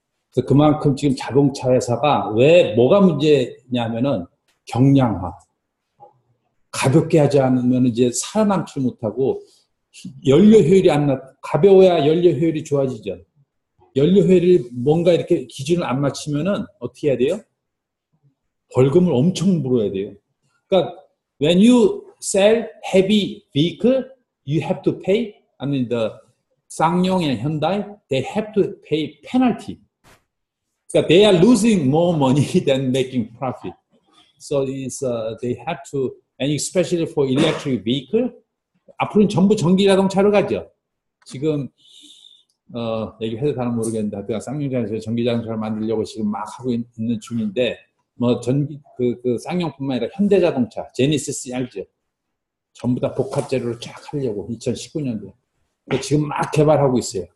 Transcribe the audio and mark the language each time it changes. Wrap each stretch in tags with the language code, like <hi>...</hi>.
<ko>그래서 그만큼 지금 자동차 회사가 왜 뭐가 문제냐면은 경량화. 가볍게 하지 않으면 이제 살아남지 못하고 연료 효율이 안 나, 가벼워야 연료 효율이 좋아지죠. 연료 효율이 뭔가 이렇게 기준을 안 맞추면은 어떻게 해야 돼요? 벌금을 엄청 물어야 돼요. 그러니까</ko> <en>when you sell heavy vehicle, you have to pay. I mean the</en> <ko>쌍용이나</ko> <en>현대, they have to pay penalty.</en> <ko>그러니까</ko> <en>they are losing more money than making profit. So it's they have to, and especially for electric vehicle.</en> <ko>앞으로는 전부 전기 자동차로 가죠. 지금 얘기해도 다는 모르겠는데, 내가 쌍용차에서 전기 자동차를 만들려고 지금 막 하고 있는 중인데. 뭐 전기 그 쌍용뿐만 아니라 현대자동차 제네시스 알죠? 전부 다 복합 재료로 쫙 하려고 2019년도 지금 막 개발하고 있어요.</ko>